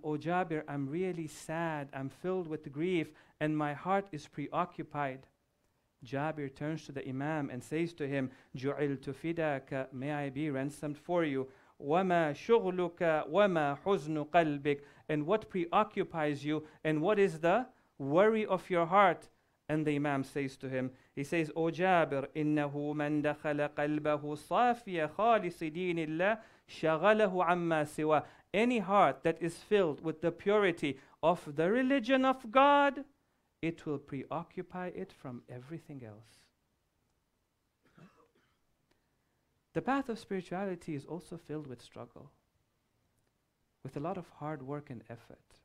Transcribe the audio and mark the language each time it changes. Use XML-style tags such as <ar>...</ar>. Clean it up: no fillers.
<en>O Jabir, I'm really sad, I'm filled with grief, and my heart is preoccupied. Jabir turns to the imam and says to him,</en> <ar>ju'iltu fidaka,</ar> <en>may I be ransomed for you.</en> <ar>وَمَا شُغْلُكَ وَمَا حُزْنُ قَلْبِكَ,</ar> <en>and what preoccupies you and what is the worry of your heart? And the imam says to him, he says, O Jabir,</en> <ar>إِنَّهُ مَنْ دَخَلَ قَلْبَهُ صَافِيَ خَالِصِ دِينِ اللَّهِ شَغَلَهُ عَمَّا سِوَى.</ar> <en>Any heart that is filled with the purity of the religion of God, it will preoccupy it from everything else. The path of spirituality is also filled with struggle, with a lot of hard work and effort.</en>